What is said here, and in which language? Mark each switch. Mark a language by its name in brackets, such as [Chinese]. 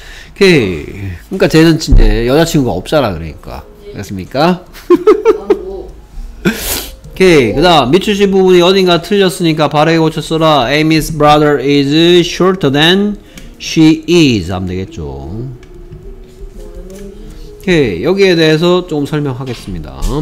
[Korean] 오케이. 그러니까 쟤는 진짜 여자친구가 없잖아 그러니까. 알겠습니까? 오케이. 그 다음 미출신 부분이 어딘가 틀렸으니까 바르게 고쳤어라. [English] Amy's brother is shorter than she is [Korean] 하면 되겠죠. 오케이. 여기에 대해서 조금 설명하겠습니다.